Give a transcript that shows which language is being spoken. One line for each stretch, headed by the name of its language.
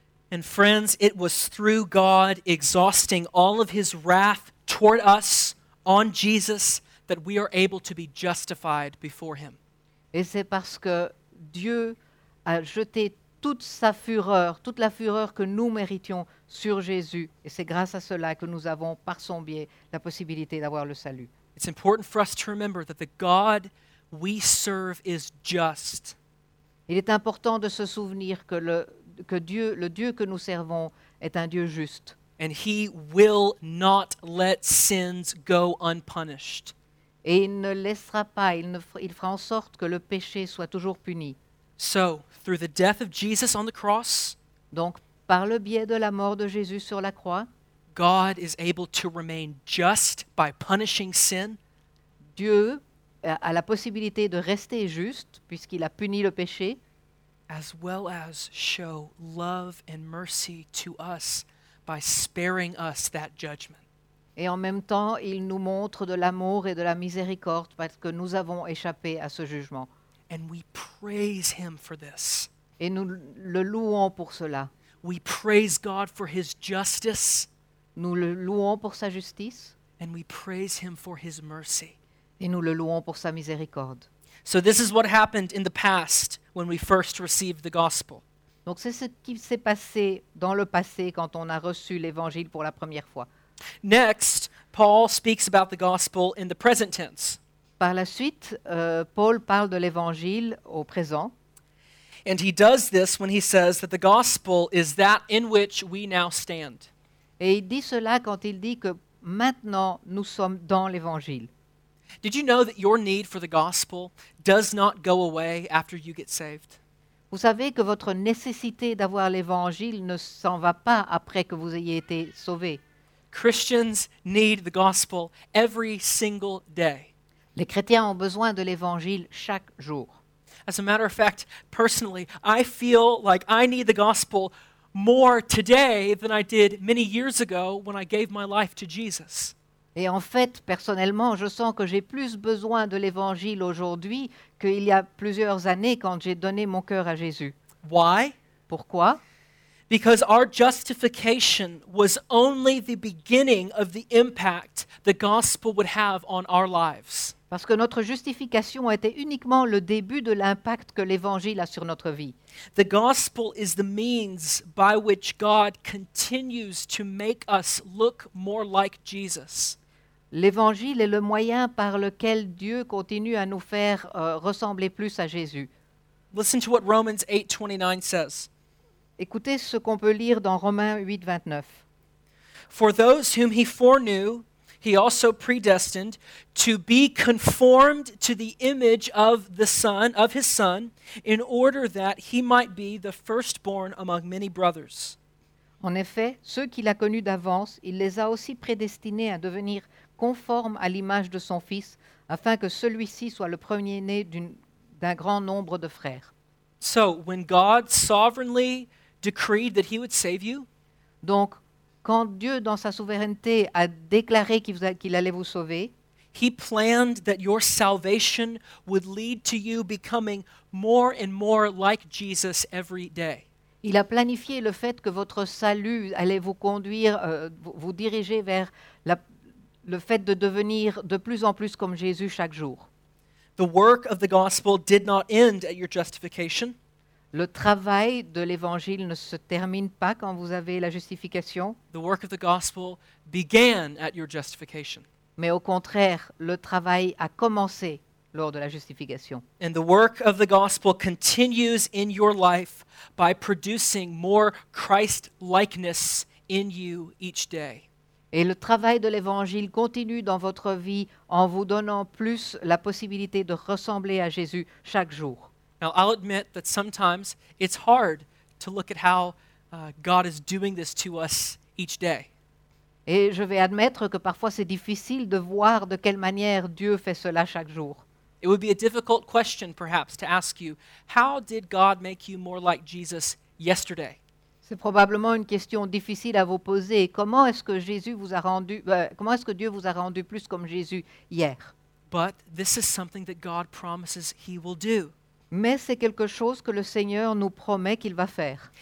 English: And friends, it was through God exhausting all of his wrath toward us on Jesus that we are able to be justified before him.
French: Et c'est parce que Dieu a jeté toute sa fureur, toute la fureur que nous méritions sur Jésus. Et c'est grâce à cela que nous avons, par son biais, la possibilité d'avoir le salut.
English: It's important for us to remember that the God we serve is just.
French: Il est important de se souvenir que le Dieu que nous servons est un Dieu juste.
English: And he will not let sins go unpunished.
French: Et il ne laissera pas, il fera en sorte que le péché soit toujours puni.
English: So, through the death of Jesus on the cross,
French: donc par le biais de la mort de Jésus sur la croix,
English: God is able to remain just by punishing sin.
French: Dieu a la possibilité de rester juste puisqu'il a puni le péché.
English: As well as show love and mercy to us by sparing us that judgment.
French: Et en même temps, il nous montre de l'amour et de la miséricorde parce que nous avons échappé à ce jugement.
English: And we praise him for this.
French: Et nous le louons pour cela.
English: We praise God for his justice.
French: Nous le louons pour sa justice.
English: And we praise him for his mercy.
French: Et nous le louons pour sa miséricorde.
English: So this is what happened in the past when we first received the gospel.
French: Donc c'est ce qui s'est passé dans le passé quand on a reçu l'évangile pour la première fois.
English: Next, Paul speaks about the gospel in the present tense.
French: Par la suite, Paul parle de l'évangile au présent.
English: And he does this when he says that the gospel is that in which we now stand.
French: Et il dit cela quand il dit que maintenant nous sommes dans l'évangile.
English: Did you know that your need for the gospel does not go away after you get saved?
French: Vous savez que votre nécessité d'avoir l'évangile ne s'en va pas après que vous ayez été sauvé.
English: Christians need the gospel every single day.
French: Les chrétiens ont besoin de l'évangile chaque jour.
English: As a matter of fact, personally, I feel like I need the gospel more today than I did many years ago when I gave my life to Jesus.
French: Et en fait, personnellement, je sens que j'ai plus besoin de l'évangile aujourd'hui qu'il y a plusieurs années quand j'ai donné mon cœur à Jésus.
English: Why?
French: Pourquoi?
English: Because our justification was only the beginning of the impact the gospel would have on our lives.
French: Parce que notre justification était uniquement le début de l'impact que l'évangile a sur notre vie.
English: The gospel is the means by which God continues to make us look more like Jesus.
French: L'évangile est le moyen par lequel Dieu continue à nous faire ressembler plus à Jésus.
English: Listen to what Romans 8:29 says.
French: Écoutez ce qu'on peut lire dans Romains 8:29.
English: For those whom he foreknew, he also predestined to be conformed to the image of the Son, of his Son, in order that he might be the firstborn among many brothers.
French: En effet, ceux qu'il a connus d'avance, il les a aussi prédestinés à devenir conformes à l'image de son Fils, afin que celui-ci soit le premier-né d'un grand nombre de frères.
English: So, when God sovereignly decreed that he would save you,
French: donc, quand Dieu, dans sa souveraineté, a déclaré qu'il allait vous sauver,
English: he planned that your salvation would lead to you becoming more and more like Jesus every day.
French: Il a planifié le fait que votre salut allait vous conduire, vous diriger vers le fait de devenir de plus en plus comme Jésus chaque jour.
English: The work of the gospel did not end at your justification.
French: Le travail de l'évangile ne se termine pas quand vous avez la justification.
English: The work of the gospel began at your justification.
French: Mais au contraire, le travail a commencé lors de la justification.
English: And the work of the gospel continues in your life by producing more Christ-likeness in you each day.
French: Et le travail de l'évangile continue dans votre vie en vous donnant plus la possibilité de ressembler à Jésus chaque jour.
English: Now, I'll admit that sometimes it's hard to look at how God is doing this to us each day.
French: Et je vais admettre que parfois c'est difficile de voir de quelle manière Dieu fait cela chaque jour.
English: It would be a difficult question, perhaps, to ask you, how did God make you more like Jesus yesterday?
French: C'est probablement une question difficile à vous poser. Comment est-ce que Jésus vous a rendu, comment est-ce que Dieu vous a rendu plus comme Jésus hier?
English: But this is something that God promises he will do.
French: Mais c'est quelque chose que le Seigneur nous promet qu'il va faire.